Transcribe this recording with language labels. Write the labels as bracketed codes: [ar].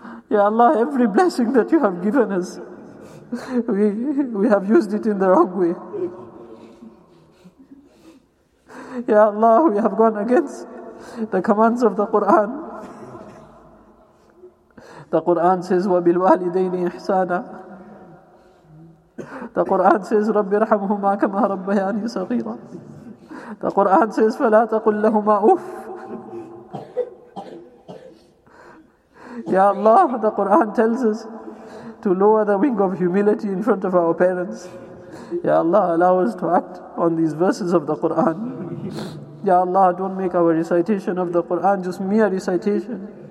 [en] Ya Allah, every blessing that you have given us, we have used it in the wrong way. Ya Allah, we have gone against the commands of the Quran. The Quran says, [ar] وَبِالْوَالِدَيْنِ إِحْسَانًا. [en] The Quran says, [ar] رَبِّ ارْحَمْهُمَا كَمَا رَبَّيَانِي صَغِيرًا. [en] The Quran says, [ar] فَلَا تَقُلْ لَهُمَا أُفْ. [en] Ya Allah, the Quran tells us to lower the wing of humility in front of our parents. Ya Allah, allow us to act on these verses of the Quran. Ya Allah, don't make our recitation of the Quran just mere recitation.